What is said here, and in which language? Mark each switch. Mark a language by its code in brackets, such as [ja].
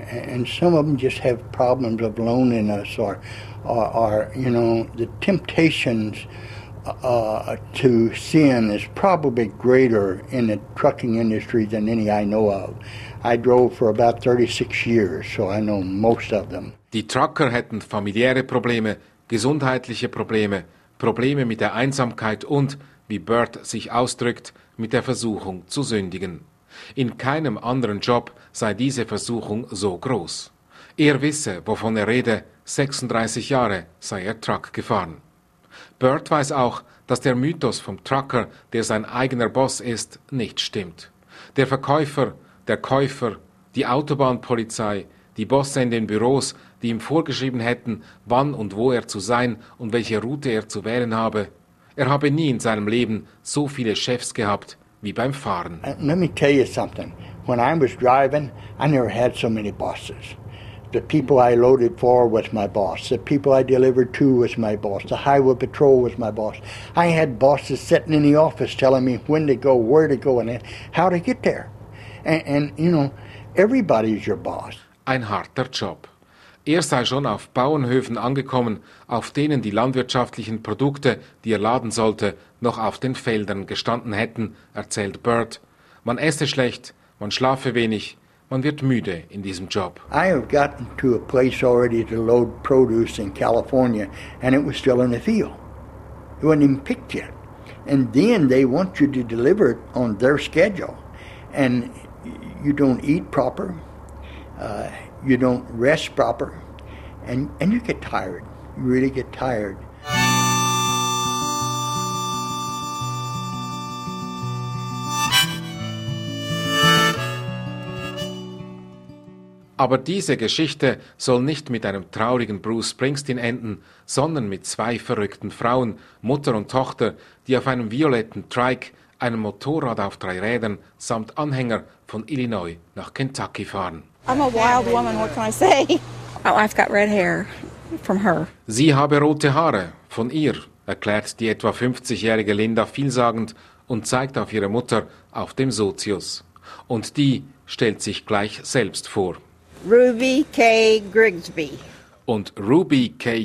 [en] And some of them just have problems of loneliness or you know, the temptations to sin is probably greater in the trucking industry than any I know of. I drove for about 36 years, so I know most of them. [de] Die Trucker hätten familiäre Probleme, gesundheitliche Probleme, Probleme mit der Einsamkeit und, wie Bert sich ausdrückt, mit der Versuchung zu sündigen. In keinem anderen Job sei diese Versuchung so groß. Er wisse, wovon er rede, 36 Jahre sei er Truck gefahren. Bert weiß auch, dass der Mythos vom Trucker, der sein eigener Boss ist, nicht stimmt. Der Verkäufer, der Käufer, die Autobahnpolizei, die Bosse in den Büros, die ihm vorgeschrieben hätten, wann und wo er zu sein und welche Route er zu wählen habe. Er habe nie in seinem Leben so viele Chefs gehabt wie beim Fahren. [en] Let me tell you something. When I was driving, I never had so many bosses. The people I loaded for was my boss. The people I delivered to was my boss. The highway patrol was my boss. I had bosses sitting in the office telling me when to go, where to go, and how to get there. And you know, everybody is your boss. [de] Ein harter Job. Er sei schon auf Bauernhöfen angekommen, auf denen die landwirtschaftlichen Produkte, die er laden sollte, noch auf den Feldern gestanden hätten, erzählt Bert. Man esse schlecht, man schlafe wenig, man wird müde in diesem Job. [en] I have gotten to a place already to load produce in California, and it was still in the field. It wasn't even picked yet. And then they want you to deliver it on their schedule. And you don't eat proper. You don't rest proper, and you get tired. You really get tired. [de] Aber diese Geschichte soll nicht mit einem traurigen Bruce Springsteen enden, sondern mit zwei verrückten Frauen, Mutter und Tochter, die auf einem violetten Trike, einem Motorrad auf drei Rädern, samt Anhänger von Illinois nach Kentucky fahren. [en] I'm a wild woman, what can I say? Oh, I've got red hair from her. [de] Sie habe rote Haare von ihr, erklärt die etwa 50-jährige Linda vielsagend und zeigt auf ihre Mutter auf dem Sozius. Und die stellt sich gleich selbst vor. Ruby K. Grigsby. Und Ruby K.